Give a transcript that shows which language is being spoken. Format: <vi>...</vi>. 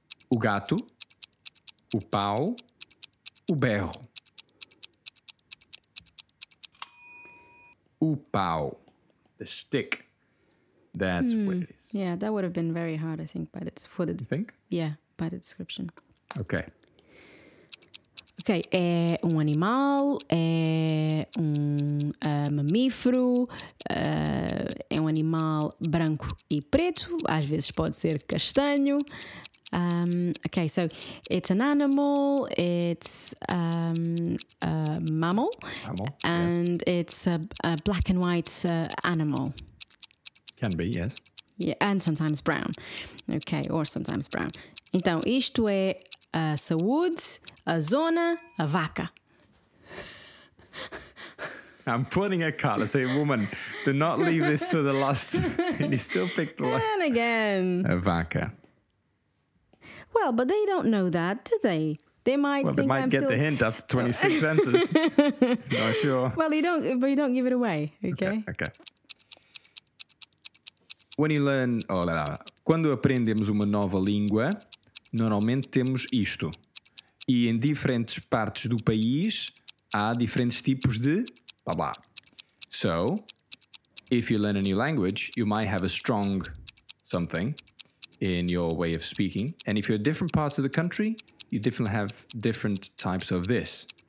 <pt>O gato, o pau, o berro.</pt> <en>O pau, the stick, that's what it is. Yeah, that would have been very hard, I think, You think? Yeah, by the description. Okay.</en> <pt>Ok, é um animal, é um mamífero, é um animal branco e preto, às vezes pode ser castanho.</pt> <en>Ok, so it's an animal, it's a mammal, and yes. It's a black and white animal. Can be, yes. Yeah, and sometimes brown. Ok, or sometimes brown.</en> <pt>Então, isto é... A saúde, a zona, a vaca.</pt> <en>I'm putting a card. I say, woman, do not leave this to the last. And you still pick the last. And again.</en> <pt>A vaca.</pt> <en>Well, but they don't know that, do they? They might think they might get still... the hint after 26 answers. Not sure. Well, you don't give it away, okay? Okay. When you learn...</en> <pt>Oh, lá, lá. Quando aprendemos uma nova língua... Normalmente temos isto. E em diferentes partes do país há diferentes tipos de babá.</pt> <en>So, if you learn a new language, you might have a strong something in your way of speaking. And if you're in different parts of the country, you definitely have different types of this.</en>